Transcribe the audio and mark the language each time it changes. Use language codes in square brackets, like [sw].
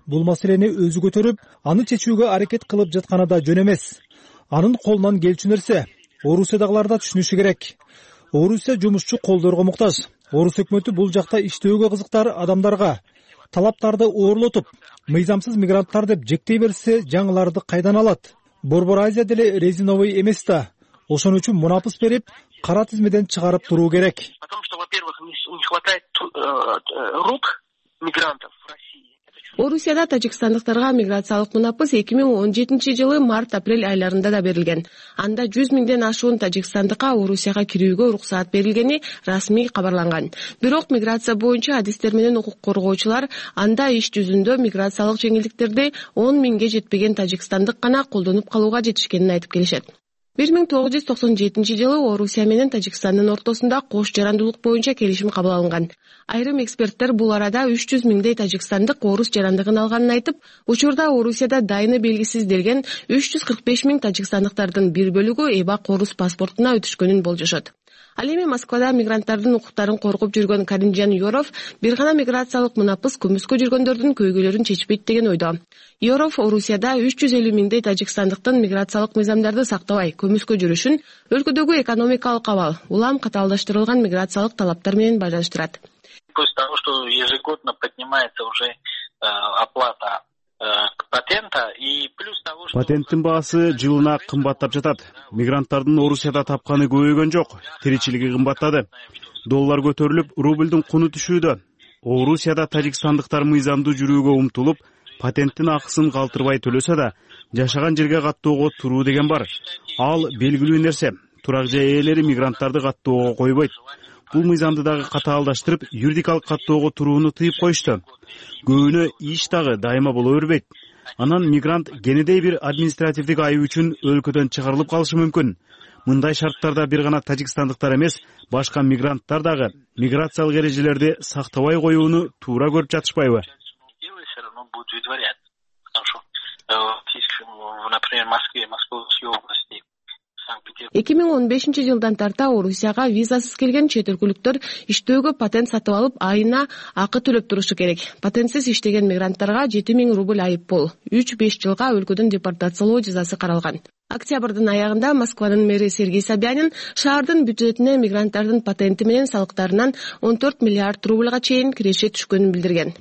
[ky] Бул маселени өзү көтөрүп, аны чечүүгө аракет кылып жатканы да жөн эмес. Анын колунан келчү нерсе Орусиядагылар да түшүнүшү керек. Орусия жумушчу колдорго муктаж. Орус өкмөтү бул жакта иштөөгө кызыктар адамдарга талаптарды оорлотуп, мыйзамсыз мигранттар деп жектей берсе, жаңыларды кайдан алат? Борбор Азия деле резиновый эмес да. Ошон үчүн мунапыс берип, кара тизмеден чыгарып туруу керек. [ru] Потому что, во-первых, не хватает рук мигрантов в России. [ky] Орусияда тажикстандыктарга миграциялык мунапыс 2017 жылы март-апрель айларында да берилген. Анда 100,000 ашуун тажикстандыкка Орусияга кирүүгө уруксаат берилгени расмий кабарланган. Бирок миграция боюнча адистер менен укук коргоочулар анда иш жүзүндө миграциялык жеңилдиктерди 10,000 жетпеген тажикстандык гана колдонуп калууга жетишкенин айтып келишет. 1997 жылы Орусия менен Тажикстандын ортосунда кош жарандуулук боюнча келишим кабыл алынган. Айрым эксперттер бул арада 300,000 тажикстандык орус жарандыгын алганын айтып, учурда Орусияда дайыны белгисизделген 345,000 тажикстандыктардын бир бөлүгү эбак орус паспортуна өтүшкөнүн болжошот. Ал эми Москвада мигранттардын укуктарын коргоп жүргөн Каринжан Йоров бир гана миграциялык мунапыс күмүскө жүргөндөрдүн көйгөйлөрүн чечпейт деген ойдо. Йоров Орусияда 350,000 тажикстандыктын миграциялык мыйзамдарды сактабай көмүскө жүрүшүн өлкөдөгү экономикалык абал, улам катаалдаштырылган миграциялык талаптар менен байланыштырат. [ru] После того, что ежегодно поднимается уже оплата [ky] патенттин баасы жылына кымбаттап жатат. Мигранттардын Орусияда тапканы көбөйгөн жок, тиричилиги кымбаттады. Доллар көтөрүлүп, рубльдун куну түшүүдө. Орусияда тажикстандыктар мыйзамдуу жүрүүгө умтулуп, патенттин акысын калтырбай төлөсө да, жашаган жерге каттоого туруу деген бар. Ал белгилүү нерсе. Турак жай ээлери мигранттарды каттоого койбойт. Бул мыйзамды дагы катаалдаштырып, юридикалык каттоого турууну тыйып коюшту. Көбүнө иш дагы дайыма боло бербейт. Анан мигрант кенедей бир административдик айып үчүн өлкөдөн чыгарылып калышы мүмкүн. Мындай шарттарда бир гана тажикстандыктар эмес, башка мигранттар дагы миграциялык эрежелерди сактабай коюуну туура көрүп жатышпайбы? [ru] Например, в Москве, Московской области. [ky] 2015 жылдан тарта Орусияга визасыз келген чет өлкөлүктөр иштөөгө патент сатып алып, айына акы төлөп турушу керек. Патентсиз иштеген мигранттарга 7,000 рубль айыппул, 3-5 жылга өлкөдөн депортациялоо жазасы каралган. Октябрдын аягында Москванын мэри Сергей Собянин шаардын бюджетине мигранттардын патенти менен салыктарынан 14 миллиард рубльга чейин киреше түшкөнүн билдирген.